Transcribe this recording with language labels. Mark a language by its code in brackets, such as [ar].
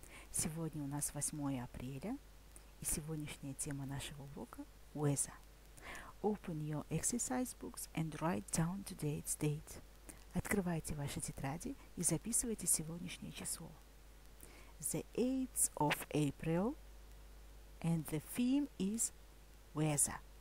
[ru] Сегодня у нас 8 апреля, и сегодняшняя тема нашего урока – weather. [en] Open your exercise books and write down today's date. [ru] Открывайте ваши тетради и записывайте сегодняшнее число. [en] The 8th of April, and the theme is weather.